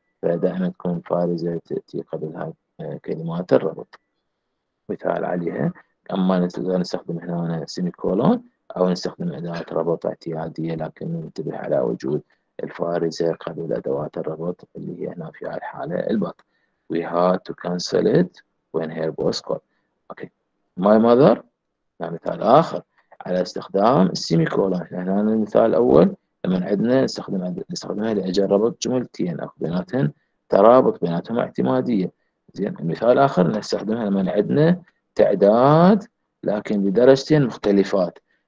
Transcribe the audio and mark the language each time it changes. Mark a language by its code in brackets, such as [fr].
[ar] فدائما تكون فارزة تأتي قبلها كلمات الربط مثال عليها. أما نقدر نستخدم هنا سيمي كولون أو نستخدم أداة ربط اعتيادية، لكن ننتبه على وجود الفارزة قبل أدوات الربط اللي هي هنا في الحالة البط. [en] We had to cancel it when her boss called. Okay. My mother. [ar] مثال آخر على استخدام السيمي كولون. هنا المثال الأول لما عندنا نستخدمها لاجل ربط جملتين اكو بيناتهم ترابط بيناتهم اعتماديه. زين المثال الاخر نستخدمها لما عندنا تعداد لكن بدرجتين مختلفات.